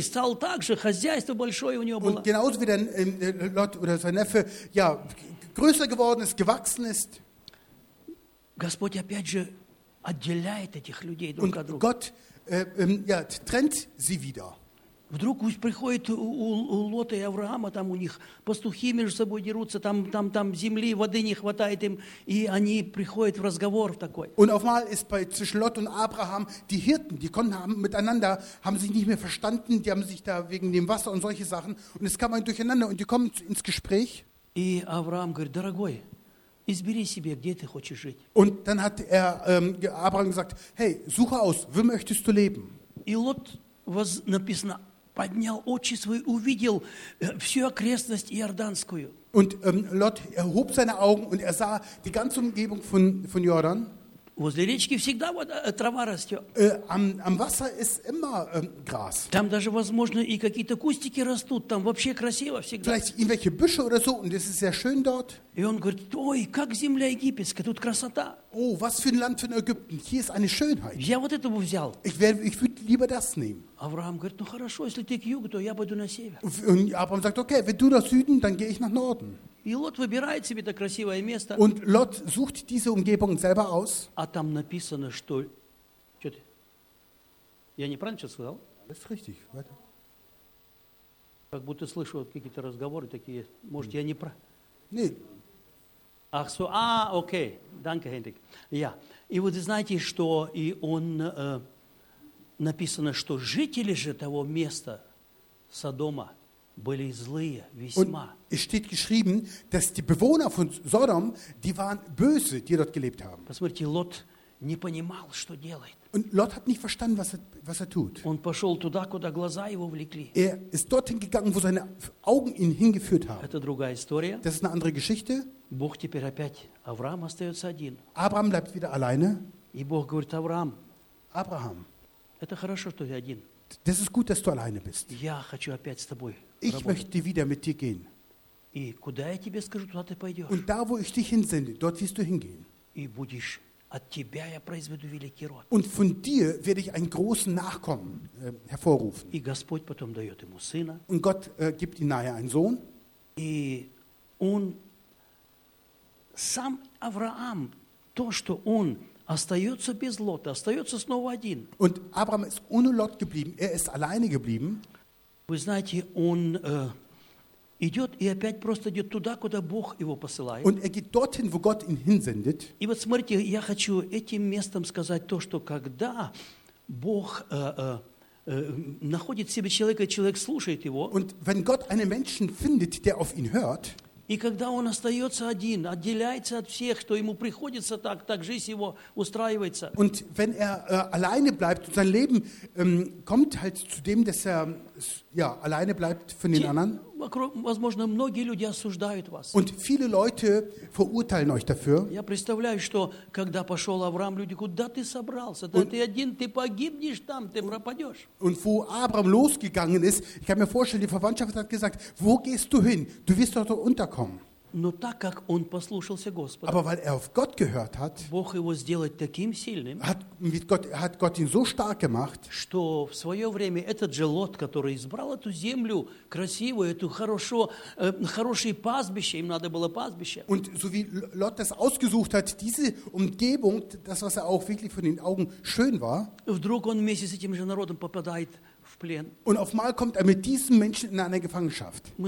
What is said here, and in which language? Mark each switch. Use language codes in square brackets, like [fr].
[de] Und genauso wie dann Lot oder sein Neffe ja größer geworden ist, gewachsen ist. [ru] Господь опять же отделяет этих людей друг от друга. [de] Und Gott trennt sie wieder. [ru] Вдруг приходит у Лота и Авраама, там у них пастухи между собой дерутся, там земли, воды не хватает им, и они приходят в разговор такой. [de] Und auf einmal ist zwischen Lot und Abraham die Hirten, die konnten miteinander, haben sich nicht mehr verstanden, die haben sich da wegen dem Wasser und solche Sachen, und es kam ein Durcheinander, und die kommen ins Gespräch. [ru] И Авраам говорит, дорогой, избери себе, где ты хочешь жить. [de] Und dann hat Abraham gesagt, hey, suche aus, wo möchtest du leben? [ru] И Лот написано, поднял очи свои, увидел всю окрестность Иорданскую. [de] Und Lot erhob seine Augen und er sah die ganze Umgebung von Jordan. [ru] Возле речки всегда трава растет. [de] Am Wasser ist immer Gras. [ru] Там даже, возможно, и какие-то кустики растут, там вообще красиво всегда. [de] Vielleicht irgendwelche Büsche oder so, und es ist sehr schön dort. [ru] И он говорит, ой, как земля египетская, тут красота. [de] Oh, was für ein Land von Ägypten, hier ist eine Schönheit. [ru] Я вот это бы взял. [de] Ich würde lieber das nehmen. [ru] Авраам говорит, ну хорошо, если ты к югу, то я пойду на север. [de] Und Abraham sagt, okay, wenn du nach Süden, dann gehe ich nach Norden. [ru] И Лот выбирает себе это красивое место. [de] Und Lot sucht diese Umgebung selber aus. [ru] А там написано, что... Что ты? Я неправильно что-то сказал? [de] Das ist richtig. Weiter. [ru] Как будто слышу какие-то разговоры такие. Может, я не прав... Нет. [de] Ach so, ah, okay. Danke, Hendrik. Ja. [ru] И вот знаете, что и он написано, что жители же того места Содома были злые весьма. [de] Und es steht geschrieben, dass die Bewohner von Sodom, die waren böse, die dort gelebt haben. [ru] Посмотрите, Лот не понимал, что делает. [de] Und Lot hat nicht verstanden, was er tut. [ru] Он пошел туда, куда глаза его влекли. [de] Er ist dorthin gegangen, wo seine Augen ihn hingeführt haben. [ru] Это другая история. [de] Das ist eine andere Geschichte. [ru] Бог теперь опять. Авраам остается один. [de] Abraham bleibt wieder alleine. [ru] И Бог говорит, Авраам. [de] Abraham. [ru] Это хорошо, что ты один. [de] Das ist gut, dass du alleine bist. [ru] Я хочу опять с тобой. [de] Ich möchte wieder mit dir gehen. [ru] И куда я тебе скажу, туда ты пойдешь. [de] Und da, wo ich dich hinsende, dort wirst du hingehen. [ru] И будешь. От тебя я произведу великий род. [de] Und von dir werde ich einen großen Nachkommen hervorrufen. [ru] И Господь потом дает ему сына. [de] Und Gott gibt ihm nachher einen Sohn. [ru] И он сам Авраам, то, что он остается без Лота, остается снова один. [de] Und Abraham ist ohne Lot geblieben. Er ist alleine geblieben. [ru] Вы знаете, он идет и опять просто идет туда, куда Бог его посылает. [de] Und er geht dorthin, wo Gott ihn hinsendet. [ru] И вот смотрите, я хочу этим местом сказать то, что когда Бог находит себе человека, человек слушает его. [de] Und wenn Gott einen Menschen findet, der auf ihn hört. [ru] И когда он остается один, отделяется от всех, что ему приходится так, так жизнь его устраивается. [de] Und wenn er alleine bleibt, sein Leben kommt halt zu dem, dass er ja, alleine bleibt von den anderen. [ru] Возможно, многие люди осуждают вас. [de] Und viele Leute verurteilen euch dafür. [ru] Я представляю, что когда пошел Авраам, люди, куда ты собрался? Да ты один, ты погибнешь там, ты пропадешь. [de] Und wo Abraham losgegangen ist, ich kann mir vorstellen, die Verwandtschaft hat gesagt, wo gehst du hin? Du wirst dort unterkommen. [ru] Но так как он послушался Господа, [de] aber weil er auf Gott gehört hat, [ru] Бог его сделал таким сильным, [de] hat Gott ihn so stark gemacht, [ru] что в свое время этот же Лот, который избрал эту землю красивую, эту хорошие пастбище, им надо было пастбище. [de] Und so wie Lot das ausgesucht hat, diese Umgebung, das was er auch wirklich von den Augen schön war, [ru] вдруг он вместе с этим же народом попадает. [de] Und auf einmal kommt er mit diesem Menschen in eine Gefangenschaft.